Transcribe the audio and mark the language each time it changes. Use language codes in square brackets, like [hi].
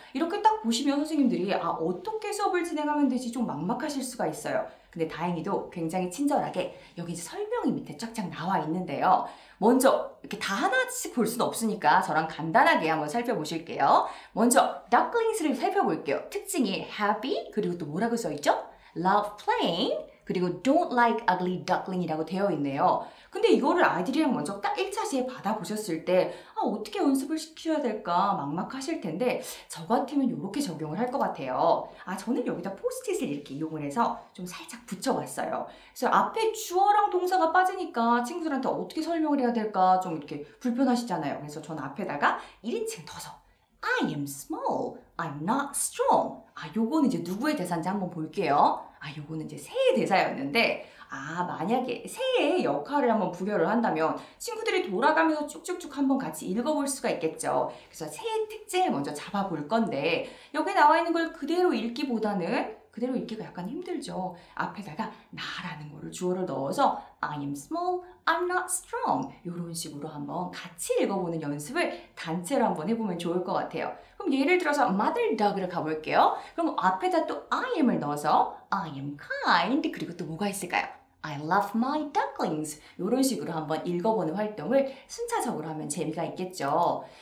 [ko] 이렇게 딱 보시면 선생님들이 어떻게 수업을 진행하면 되지 좀 막막하실 수가 있어요. 근데 다행히도 굉장히 친절하게 여기 설명이 밑에 쫙쫙 나와 있는데요. 먼저 이렇게 다 하나씩 볼순 없으니까 저랑 간단하게 한번 살펴보실게요. 먼저 ducklings를 살펴볼게요. 특징이 happy, 그리고 또 뭐라고 써있죠? [en] love playing, [ko] 그리고 [en] don't like ugly duckling [ko] 이라고 되어 있네요. 근데 이거를 아이들이랑 먼저 딱 1차 시에 받아보셨을 때 어떻게 연습을 시켜야 될까 막막하실 텐데, 저 같으면 이렇게 적용을 할것 같아요. 저는 여기다 포스트잇을 이렇게 이용을 해서 좀 살짝 붙여봤어요. 그래서 앞에 주어랑 동사가 빠지니까 친구들한테 어떻게 설명을 해야 될까 좀 이렇게 불편하시잖아요. 그래서 전 앞에다가 1인칭 더서 [en] I am small, I'm not strong. [ko] 요거는 이제 누구의 대사인지 한번 볼게요. 요거는 이제 새의 대사였는데, 만약에 새의 역할을 한번 부여를 한다면 친구들이 돌아가면서 쭉쭉쭉 한번 같이 읽어볼 수가 있겠죠. 그래서 새의 특징을 먼저 잡아볼 건데, 여기 나와 있는 걸 그대로 읽기보다는 그대로 읽기가 약간 힘들죠. 앞에다가 나라는 거를 주어를 넣어서 [en] I am small, I'm not strong. [ko] 이런 식으로 한번 같이 읽어보는 연습을 단체로 한번 해보면 좋을 것 같아요. 그럼 예를 들어서 Mother Duck를 가볼게요. 그럼 앞에다 또 I am을 넣어서 [en] I am kind. [ko] 그리고 또 뭐가 있을까요? [en] I love my ducklings. [ko] 이런 식으로 한번 읽어보는 활동을 순차적으로 하면 재미가 있겠죠.